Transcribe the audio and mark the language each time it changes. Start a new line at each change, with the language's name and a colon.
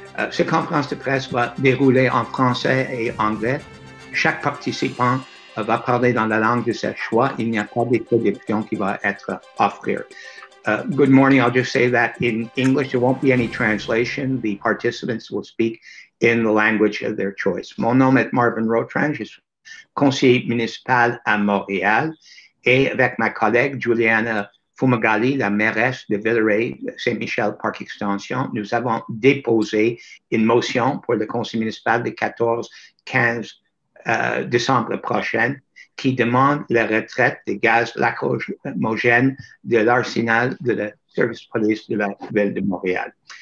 French: Ce conférence de presse va dérouler en français et anglais. Chaque participant va parler dans la langue de sa choix. Il n'y a pas de traduction qui va être offerte.
English: Good morning, I'll just say that in English, there won't be any translation. The participants will speak in the language of their choice.
French: Mon nom est Marvin Rotrand, je suis conseiller municipal à Montréal et avec ma collègue Giuliana Fumagalli, la mairesse de Villeray, Saint-Michel-Parc Extension, nous avons déposé une motion pour le conseil municipal le 14-15 décembre prochain qui demande la retraite des gaz lacrymogènes de l'arsenal de la service police de la ville de Montréal.